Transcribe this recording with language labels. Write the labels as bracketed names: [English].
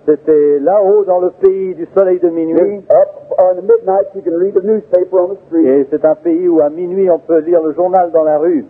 [French] C'était là-haut dans le pays du soleil de minuit. [English] Up on the midnight, you can read the newspaper on the street. [French] Et c'est un pays où à minuit on peut lire le journal dans la rue.